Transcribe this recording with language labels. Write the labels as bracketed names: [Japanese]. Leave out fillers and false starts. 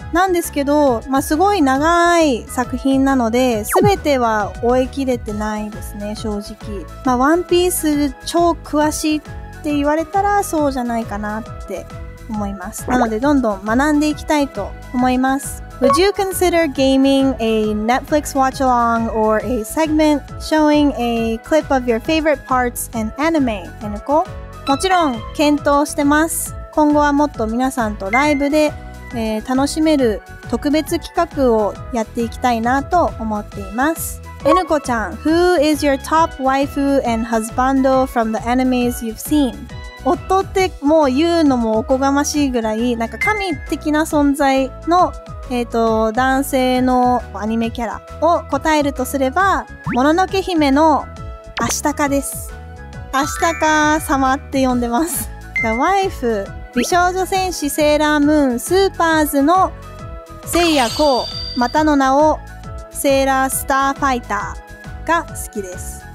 [Japanese] なんですけど、まあ、すごい長い作品なので全ては追い切れてないですね、正直。まあ、ワンピース超詳しいって言われたらそうじゃないかなって思います。なのでどんどん学んでいきたいと思います。 [English] Would you consider gaming a Netflix watch along or a segment showing a clip of your favorite parts and anime? N-ko? [Japanese] もちろん検討してます。今後はもっと皆さんとライブで楽しめる特別企画をやっていきたいなと思っています。 [English] N 子ちゃん、 Who is your top waifu and husbando from the animes you've seen? [Japanese] 夫ってもう言うのもおこがましいぐらい、なんか神的な存在の、男性のアニメキャラを答えるとすれば、もののけ姫のアシタカです。アシタカ様って呼んでます。 [English] The wife、 [Japanese] 美少女戦士セーラームーンスーパーズのセイヤコウ、またの名をセーラースターファイターが好きです。